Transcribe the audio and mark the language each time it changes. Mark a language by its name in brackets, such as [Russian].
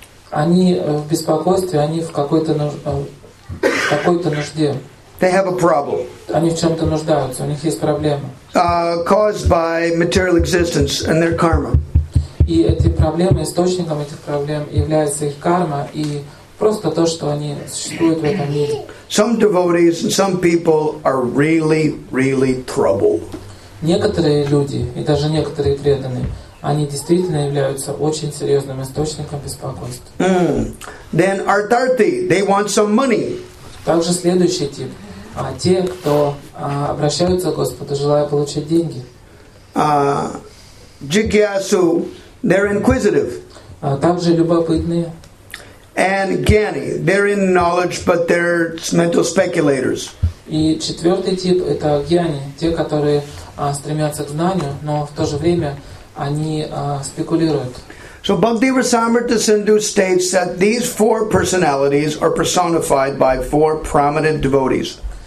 [Russian] Они в беспокойстве, они в какой-то нужде. [English] They have a problem. [Russian] Они в чем-то нуждаются, у них есть проблема. [English] Caused by material existence and their karma. [Russian] И эти проблемы, источником этих проблем является их карма и просто то, что они существуют в этом мире. [English] Some devotees and some people are really, really troubled. [Russian] Некоторые люди и даже некоторые преданные они действительно являются очень серьезным источником беспокойства. [English] Then artarthi, they want some money. [Russian] Также следующий тип. Те, кто обращаются к Господу, желая получить деньги. [English] Jigyasu, they're inquisitive. [Russian] Также любопытные. [English] And gyani, they're in knowledge, but they're mental speculators. [Russian] И четвертый тип — это гьяни, те, которые стремятся к знанию, но в то же время они спекулируют. [English] So Bhakti Rasamrita Sindhu states that these four personalities are personified by four prominent devotees.